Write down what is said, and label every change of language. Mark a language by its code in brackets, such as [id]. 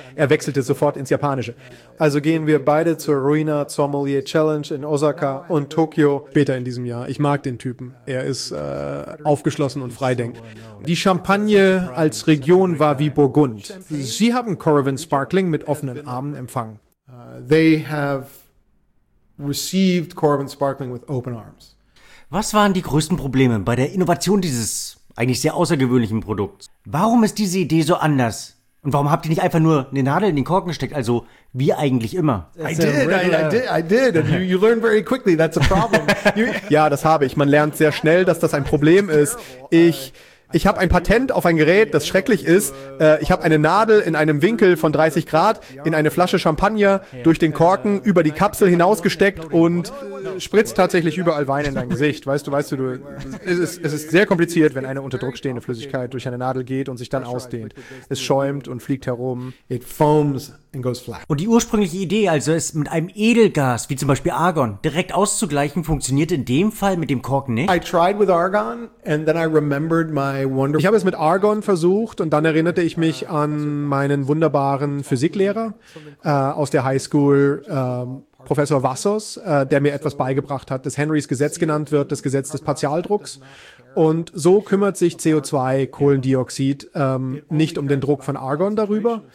[de] Er wechselte sofort ins Japanische. Also gehen wir beide zur Ruina Sommelier Challenge in Osaka und Tokio später in diesem Jahr. Ich mag den Typ. Er ist aufgeschlossen und freidenkend. Die Champagne als Region war wie Burgund. Sie haben Coravin Sparkling mit offenen Armen empfangen. [en] They have received Coravin Sparkling with open arms. [de] Was waren die größten Probleme bei der Innovation dieses eigentlich sehr außergewöhnlichen Produkts? Warum ist diese Idee so anders? Und warum habt ihr nicht einfach nur eine Nadel in den Korken gesteckt? Also wie eigentlich immer. [en] I did. And you learn very quickly. That's a problem. [de] Ja, das habe ich. Man lernt sehr schnell, dass das ein Problem ist. Ich habe ein Patent auf ein Gerät, das schrecklich ist. Ich habe eine Nadel in einem Winkel von 30 Grad in eine Flasche Champagner durch den Korken über die Kapsel hinausgesteckt und spritzt tatsächlich überall Wein in dein Gesicht. Weißt du, es ist sehr kompliziert, wenn eine unter Druck stehende Flüssigkeit durch eine Nadel geht und sich dann ausdehnt. Es schäumt und fliegt herum. [en] It foams and goes flat. [de] Und die ursprüngliche Idee, also es mit einem Edelgas, wie zum Beispiel Argon, direkt auszugleichen, funktioniert in dem Fall mit dem Korken nicht? [en] I tried with Argon and then I remembered my [de] Ich habe es mit Argon versucht und dann erinnerte ich mich an meinen wunderbaren Physiklehrer aus der Highschool, Professor Vassos, der mir etwas beigebracht hat, das Henrys Gesetz genannt wird, das Gesetz des Partialdrucks. Und so kümmert sich CO2, Kohlendioxid, nicht um den Druck von Argon darüber.